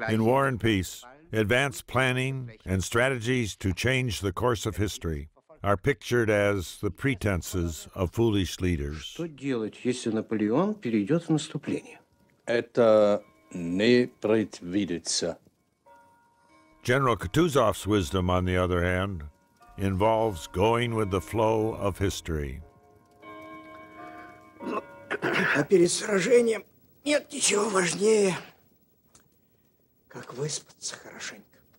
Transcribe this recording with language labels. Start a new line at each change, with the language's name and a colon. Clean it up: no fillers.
English: in War and Peace, advanced planning and strategies to change the course of history are pictured as the pretenses of foolish leaders.
Russian: Что делать, если Наполеон перейдет в наступление? Это не предвидится.
English: General Kutuzov's wisdom, on the other hand, involves going with the flow of history.
Russian: А перед сражением нет ничего важнее, как выспаться хорошенько.